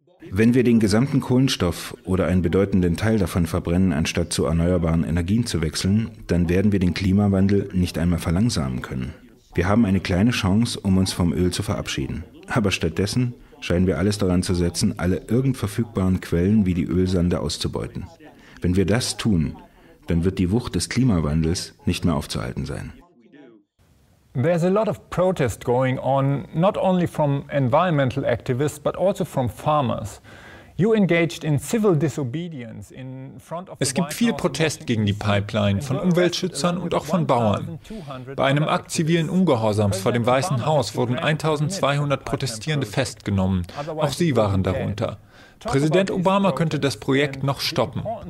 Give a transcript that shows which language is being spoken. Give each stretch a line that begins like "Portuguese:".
German: Wenn wir den gesamten Kohlenstoff oder einen bedeutenden Teil davon verbrennen, anstatt zu erneuerbaren Energien zu wechseln, dann werden wir den Klimawandel nicht einmal verlangsamen können. Wir haben eine kleine Chance, um uns vom Öl zu verabschieden. Aber stattdessen scheinen wir alles daran zu setzen, alle irgend verfügbaren Quellen wie die Ölsande auszubeuten. Wenn wir das tun, dann wird die Wucht des Klimawandels nicht mehr aufzuhalten sein.
English: There's a lot of protest going on, not only from environmental activists, but also from farmers. You engaged in civil disobedience in front of the.
German: Es gibt viel Protest gegen die Pipeline von Umweltschützern und auch von Bauern. Bei einem Akt zivilen Ungehorsams vor dem Weißen Haus wurden 1200 Protestierende festgenommen. Auch sie waren darunter. Präsident Obama könnte das Projekt noch stoppen.